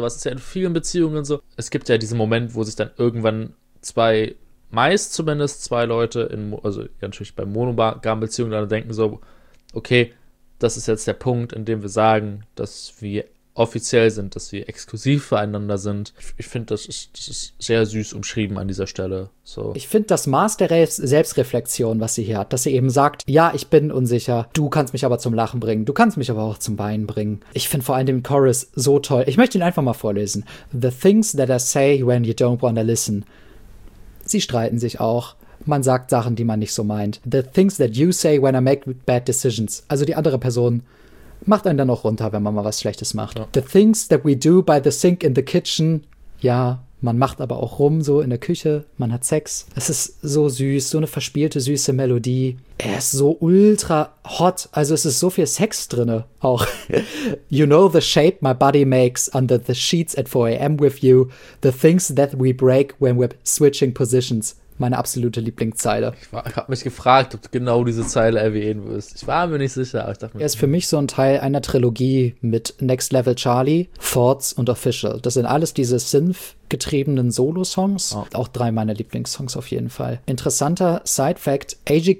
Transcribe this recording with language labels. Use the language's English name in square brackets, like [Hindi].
[German] Sowas ist ja in vielen Beziehungen so. Es gibt ja diesen Moment, wo sich dann irgendwann meist zumindest zwei Leute natürlich bei monogamen Beziehungen dann denken so, okay, das ist jetzt der Punkt, in dem wir sagen, dass wir offiziell sind, dass wir exklusiv füreinander sind. Ich finde, das ist sehr süß umschrieben an dieser Stelle. So. Ich finde das Maß der Selbstreflexion, was sie hier hat, dass sie eben sagt, ja, ich bin unsicher, du kannst mich aber zum Lachen bringen, du kannst mich aber auch zum Weinen bringen. Ich finde vor allem den Chorus so toll. Ich möchte ihn einfach mal vorlesen. [English] The things that I say when you don't wanna listen. [German] Sie streiten sich auch. Man sagt Sachen, die man nicht so meint. [English] The things that you say when I make bad decisions. [German] Also die andere Person macht einen dann auch runter, wenn man mal was Schlechtes macht. Ja. [English] The things that we do by the sink in the kitchen. [German] Ja, Man macht aber auch rum, so in der Küche, man hat Sex. Es ist so süß, so eine verspielte, süße Melodie. Er ist so ultra hot, also es ist so viel Sex drinne auch. [English] You know the shape my body makes under the sheets at 4 a.m. with you. The things that we break when we're switching positions. [German] Meine absolute Lieblingszeile. Ich habe mich gefragt, ob du genau diese Zeile erwähnen wirst. Ich war mir nicht sicher. Aber ich dachte, er ist für mich so ein Teil einer Trilogie mit Next Level Charlie, Thoughts und Official. Das sind alles diese Synth-getriebenen Solo-Songs. Oh. Auch drei meiner Lieblingssongs auf jeden Fall. Interessanter Side-Fact, A.G.